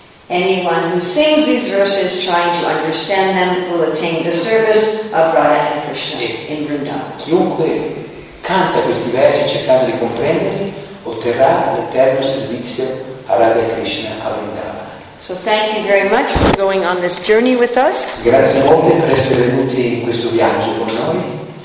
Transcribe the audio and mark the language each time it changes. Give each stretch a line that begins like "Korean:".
English: Anyone who sings these verses, trying to understand them, will attain the service of Radha and Krishna in Vrindavan.
Italian: Chiunque canta questi versi cercando di comprenderli otterrà l'eterno servizio a Radha Krishna a Vrindavan.
English: So thank you very much for going on this journey with us.
Italian: Grazie molte per essere venuti in questo viaggio con noi.